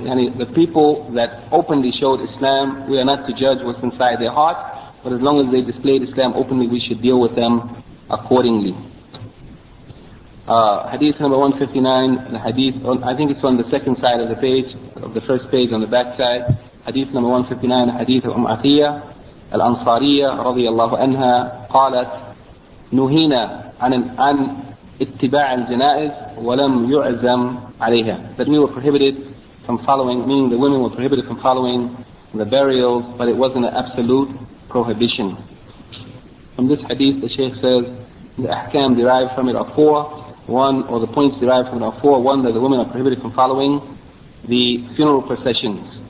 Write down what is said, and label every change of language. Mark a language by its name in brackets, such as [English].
[English] يعني the people that openly showed Islam, we are not to judge what's inside their heart, but as long as they displayed Islam openly, we should deal with them accordingly. Hadith number 159, the hadith, I think it's on the second side of the page, of the first page on the back side. Hadith number 159, hadith of Atiyah [Arabic] الأنصارية رضي الله عنها قالت نهينا عن اتباع الجنائز ولم يعزم عليها. [English] That we were prohibited from following, meaning the women were prohibited from following the burials, but it wasn't an absolute prohibition. From this hadith, the Shaykh says the ahkam derived from it are four. One, or the points derived from it are four. One, that the women are prohibited from following the funeral processions.